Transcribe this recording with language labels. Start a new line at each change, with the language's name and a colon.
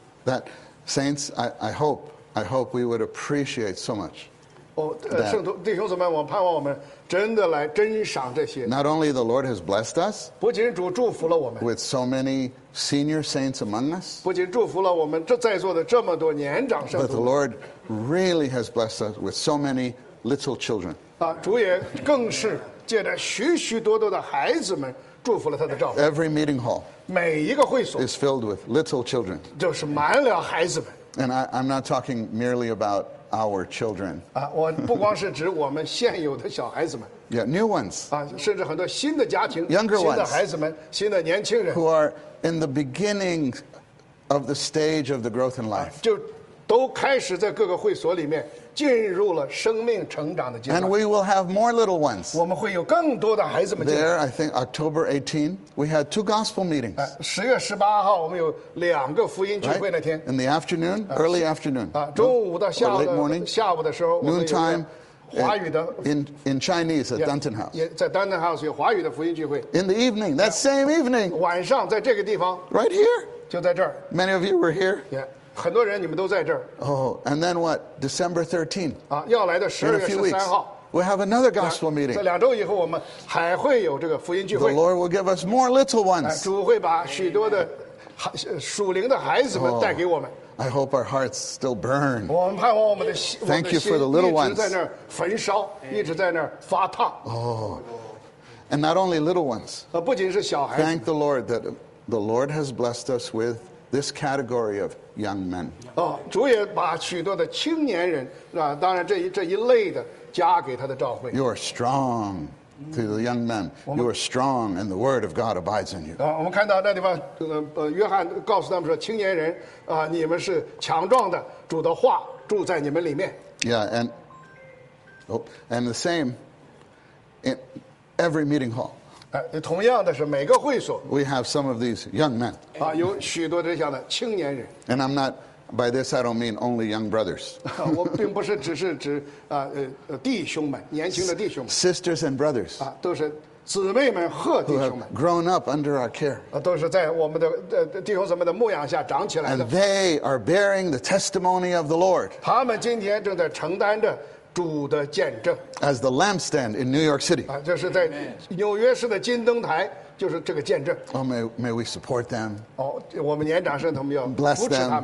English: that saints I hope we would appreciate so much
Chinese: 圣徒弟兄姊妹我盼望我们真的来珍赏这些
English: not only the Lord has blessed us
Chinese: 不仅主祝福了我们
English: with so manySenior saints among us
Chinese: 不仅祝福了我们这在座的这么多年长圣徒
English: but the Lord really has blessed us with so many little children
Chinese: 主也更是借着许许多多的孩子们祝福了他的教会
English: every meeting hall
Chinese: 每一个会所
English: is filled with little children
Chinese: 就是满了孩子们
English: and I'm not talking merely about our children
Chinese: 我不光是指我们现有的小孩子们
English: yeah, new ones
Chinese: 甚至很多新的家庭
English: younger ones
Chinese: 新的孩子们新的年轻人
English: who areIn the beginning of the stage of the growth in life,
Chinese: 就都开始在各个会所里面进入了生命成长的阶段。
English: And we will have more little ones.
Chinese: 我们会有更多的孩子们。
English: There, I think October 18, we had two gospel meetings.
Chinese: 十月十八号我们有两个福音聚会那天。
English: In the afternoon, early afternoon.
Chinese: 中午到下午。
English: Late morning.
Chinese: 下午的时候。
English: Noon time.
Chinese: 华语的
English: in Chinese at Dunton House
Chinese: 也在 Dunton House 有华语的福音聚会
English: in the evening that same evening
Chinese: 晚上在这个地方
English: right here
Chinese: 就在这儿
English: many of you were here
Chinese: 也、yeah, 很多人你们都在这儿
English: oh and then what December 13
Chinese: 要来的十月十三号
English: we have another gospel meeting
Chinese: 这两周以后我们还会有这个福音聚会
English: the Lord will give us more little ones
Chinese: 主会把许多的属灵的孩子们带给我们、oh.
English: I hope our hearts still burn. Thank you for the little ones.
Chinese: 一直在那儿焚烧，一直在那儿发烫。
English: Oh, and not only little ones.
Chinese: 不仅是小孩子。
English: Thank the Lord that the Lord has blessed us with this category of young men.
Chinese: 主也把许多的青年人啊，当然这一类的加给他的召会。
English: You are strong. To the young men, you are strong, and the word of God abides in you.
Chinese: 我们看到那地方，约翰告诉他们说，青年人，你们是强壮的，主的话住在你们里面。
English: Yeah, and the same in every meeting hall.
Chinese: 同样的是每个会所。
English: We have some of these young men.
Chinese: 有许多这样的青年人。
English: And I'm not by this, I don't mean only young brothers.
Chinese: 我并不是只是指弟兄们，年轻的弟兄们。
English: Sisters and brothers.
Chinese: 都是姊妹们和弟兄们。
English: Who have grown up under our care.
Chinese: 都是在我们的弟兄姊妹的牧养下长起来的。
English: And they are bearing the testimony of the Lord.
Chinese: 他们今天正在承担着主的见证。
English: As the lampstand in New York City.
Chinese: 就是在纽约市的金灯台。就是这个见证。
English: Oh, may we support them.
Chinese: 我们年长圣徒们要扶持他们。